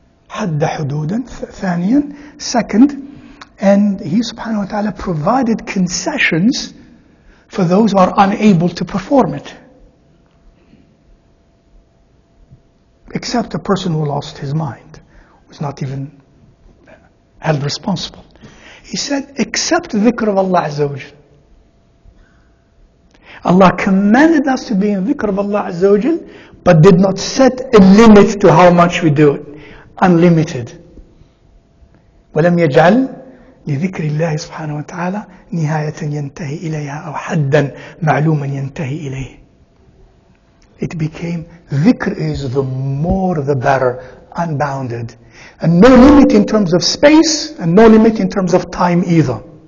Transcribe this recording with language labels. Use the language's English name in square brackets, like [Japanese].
[Arabic] حد حدودا ثانيا [English] second, and he subhanahu wa ta'ala provided concessions for those who are unable to perform it, except a person who lost his mind, was not even held responsible. He said except dhikr of Allah Azza wa Jal. Allah commanded us to be in dhikr of Allah Azza wa Jal, but did not set a limit to how much we do it. Unlimited. [Arabic] وَلَمْ يَجْعَلْ لذكر الله سبحانه وتعالى نهاية ينتهي إليها أو حدا معلوما ينتهي إليه. [English] It became ذكر is the more the better, unbounded, and no limit in terms of space and no limit in terms of time either.